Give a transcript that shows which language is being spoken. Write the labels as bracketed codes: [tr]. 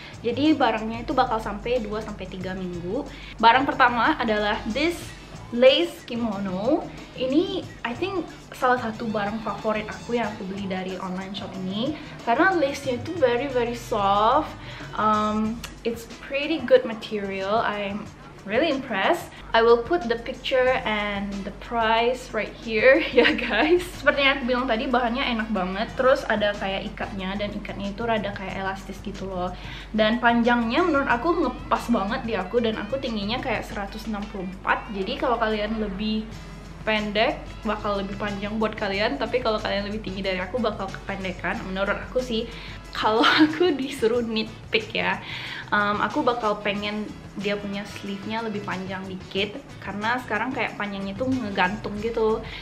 [id] Jadi barangnya itu bakal sampai 2-3 minggu. Barang pertama adalah [en] this lace kimono. [id] Ini [en] I think [id] salah satu barang favorit aku yang aku beli dari online shop ini, karena lace-nya itu [en] very very soft. It's pretty good material. I'm really impressed. I will put the picture and the price right here, ya guys. [id] Seperti yang aku bilang tadi, bahannya enak banget. Terus ada kayak ikatnya, dan ikatnya itu rada kayak elastis gitu loh. Dan panjangnya menurut aku ngepas banget di aku, dan aku tingginya kayak 164. Jadi kalau kalian lebih pendek, bakal lebih panjang buat kalian. Tapi kalau kalian lebih tinggi dari aku, bakal kependekan. Menurut aku sih, kalau aku disuruh nitpick ya, aku bakal pengen dia punya sleeve-nya lebih panjang dikit, karena sekarang kayak panjangnya tuh ngegantung gitu.